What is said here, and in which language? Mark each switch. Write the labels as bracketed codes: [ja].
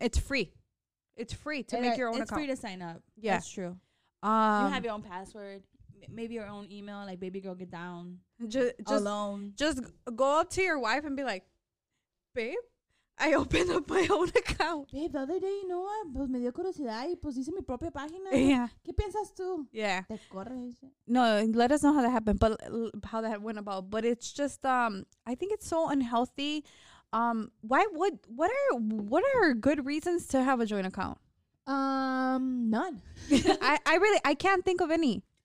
[en] It's free. It's free to make your own account. It's free to sign up. Yeah. That's true. You have your own password. Maybe your own email. Like, baby girl, get down. Just alone. Just go up to your wife and be like, babe, I opened up my own account. Babe, the other day, you know what? [es] Pues me dio curiosidad y pues hice mi propia página. [en] Yeah. [es] ¿Qué piensas tú? [en] Yeah. [es] ¿Te corres? [en] No, let us know how that happened, but how that went about. But it's just, I think it's so unhealthy. What are good reasons to have a joint account? None. I can't think of any.